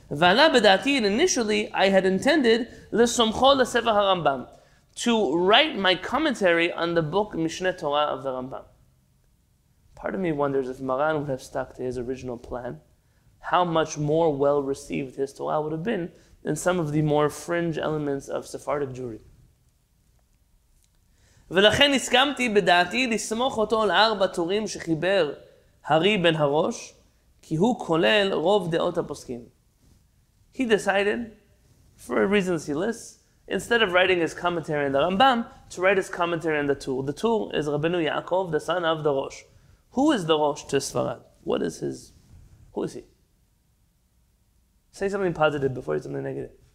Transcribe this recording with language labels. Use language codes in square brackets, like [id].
[he] V'ala bedati, [en] and initially I had intended [he] l'somcho l'sefer harambam, [en] to write my commentary on the book Mishneh Torah of the Rambam. Part of me wonders if Maran would have stuck to his original plan, how much more well-received his Torah would have been than some of the more fringe elements of Sephardic Jewry. [he] ולכן הסכמתי בדעתי לסמוך אותו על ארבע תורים שחיבר הרי בן הראש, כי הוא כולל רוב דעות הפוסקים. [en] He decided, for reasons he lists, instead of writing his commentary on the Rambam, to write his commentary on the Tur. The Tur is Rabbeinu Yaakov, the son of the Rosh. Who is the Rosh to Sfarad? What is his... Who is he? Say something positive before you say something negative.